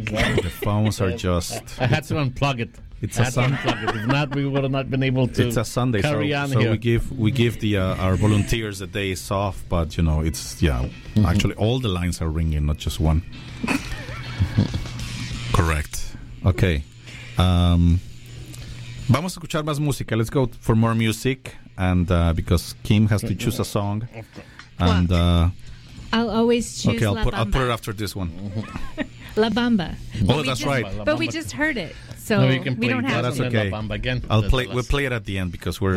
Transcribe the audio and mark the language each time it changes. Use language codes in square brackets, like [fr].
[en] Exactly. The phones are just... I had to unplug it. If not, we would have not been able to. It's a Sunday, so we give the our volunteers a day off, but you know, it's actually all the lines are ringing, not just one. Correct. Okay. [es] Vamos a escuchar más música. [en] Let's go for more music, and because Kim has to choose a song, and I'll always choose. Okay, I'll put it after this one. La Bamba. Oh, but that's just, right. But we just heard it. So no, you can play. We don't have that's okay. La Bamba again. We'll play it at the end because we're